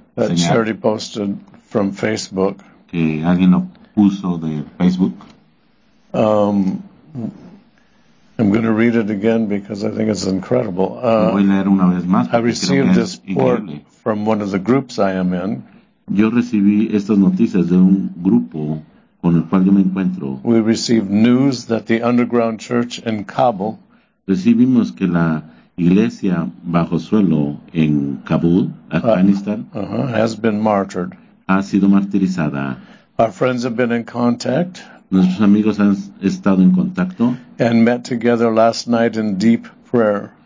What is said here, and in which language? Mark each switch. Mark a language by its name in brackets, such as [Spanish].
[English] that Charity posted from Facebook [Spanish] que alguien lo puso de Facebook [English] I'm going to read it again because I think it's incredible [Spanish] voy a leer una vez más [English] I received this report from one of the groups I am in [Spanish] yo recibí estas noticias de un grupo con el cual yo me encuentro. [English] We received news that the underground church in Kabul [Spanish] recibimos que la iglesia bajo suelo en Kabul, Afganistán, [English] has been martyred. [Spanish] Ha sido martirizada. [English] Our friends have been in contact. [Spanish] Nuestros amigos han estado en contacto. [English] And met together last night in deep prayer.